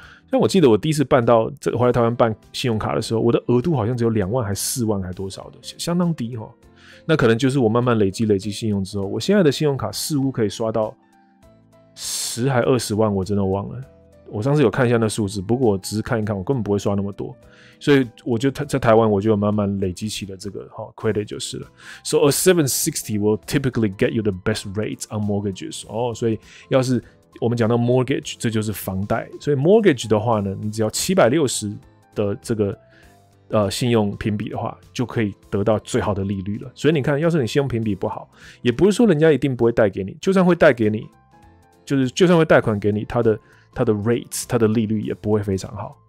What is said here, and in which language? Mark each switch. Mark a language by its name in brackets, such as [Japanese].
[Chinese] 像我记得我第一次办到在回来台湾办信用卡的时候我的额度好像只有2万还4万还多少的相当低齁。那可能就是我慢慢累积信用之后我现在的信用卡似乎可以刷到10还20万我真的忘了。我上次有看一下那数字不过我只是看一看我根本不会刷那么多。所以我就在台湾我就慢慢累积起了这个齁 ,credit 就是了。 [English] So a 760 will typically get you the best rates on mortgages. [Chinese] 哦所以要是我们讲到 mortgage, 这就是房贷。所以 mortgage 的话呢你只要760的这个信用评比的话就可以得到最好的利率了。所以你看要是你信用评比不好也不是说人家一定不会贷给你就算会贷给你就算会贷款给你它的 rates, 它的利率也不会非常好。